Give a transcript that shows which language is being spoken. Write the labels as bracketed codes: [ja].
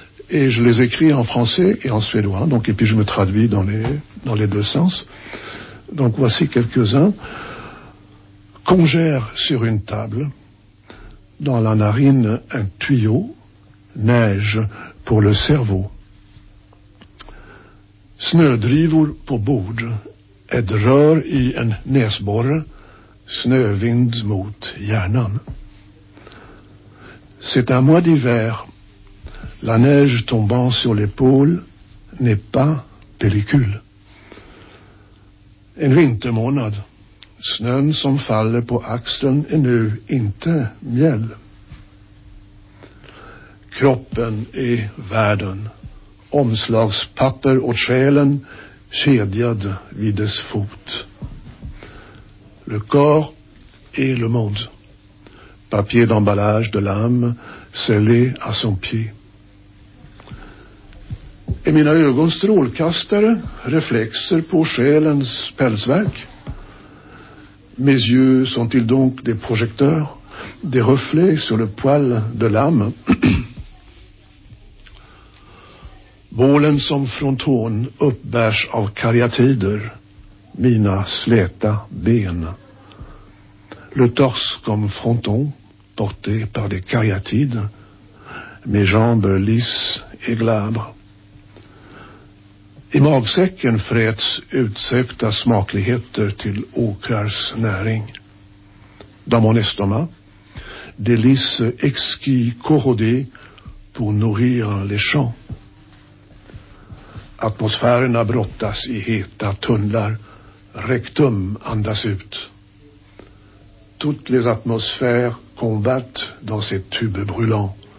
[fr] Et je les écris en français et en suédois. Donc, et puis je me traduis dans les deux sens. Donc voici quelques-uns. Congère sur une table, dans la narine un tuyau, neige pour le cerveau. [sv] Snödrivor på bord, ett rör i en näsborre. Snövind mot hjärnan. [fr] C'est un mois d'hiver. La neige tombant sur l'épaule n'est pas pellicule. [sv] En vintermånad. Snön som faller på axeln är nu inte mjäll. Kroppen är världen. Omslagspapper och själen kedjad vid dess fot. [fr] Le corps et le monde. Papier d'emballage de l'âme scellé à son pied. [sv] Et mina ögon strålkastare, reflexer på själens pälsverk. [fr] Mes yeux sont-ils donc des projecteurs, des reflets sur le poil de l'âme? [sv] Bålen som från tån uppbärs av karyatider, mina släta ben. [fr] Le torse comme fronton, porté par des caryatides, mes jambes lisses et glabres. [sv] I magsäcken fräts utsökta smakligheter till åkrars näring. [fr] Dans mon estomac, délices exquis corrodés pour nourrir les champs. [sv] Atmosfärerna brottas i heta tunnlar, rectum andas ut. [fr] Toutes les atmosphères combattent dans ces tubes brûlants.